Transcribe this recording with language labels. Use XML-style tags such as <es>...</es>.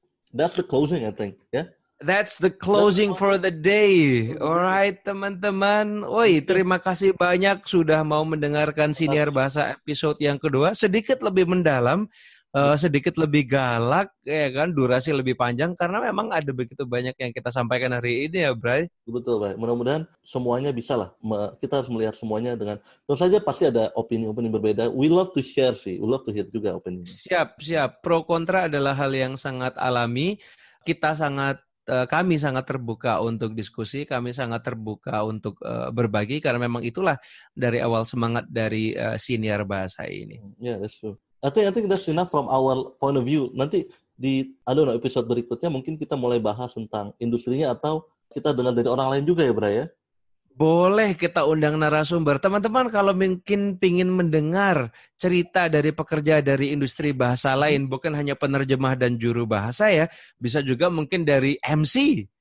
<en>That's the closing, I think. That's the closing for the day. Alright,</en> <id>teman-teman. Woi, terima kasih banyak sudah mau mendengarkan Siniar Bahasa episode yang kedua. Sedikit lebih mendalam. sedikit lebih galak, ya kan, durasi lebih panjang, karena memang ada begitu banyak yang kita sampaikan hari ini ya, Bray. Betul, Bray. Mudah-mudahan semuanya bisa lah. Kita harus melihat semuanya dengan, terus saja pasti ada opini-opini berbeda.</id> <en>We love to share sih. We love to hear</en> <id>juga opini. Siap, siap. Pro kontra adalah hal yang sangat alami. Kami sangat terbuka untuk diskusi, kami sangat terbuka untuk berbagi, karena memang itulah dari awal semangat dari Siniar Bahasa ini.</id> <en>Ya, yeah, that's true. I think that's enough from our point of view.</en> <id>Nanti di episode berikutnya mungkin kita mulai bahas tentang industrinya atau kita dengar dari orang lain juga ya, Bra, ya? Boleh kita undang narasumber. Teman-teman, kalau mungkin ingin mendengar cerita dari pekerja dari industri bahasa lain, bukan hanya penerjemah dan juru bahasa ya, bisa juga mungkin dari MC.</id>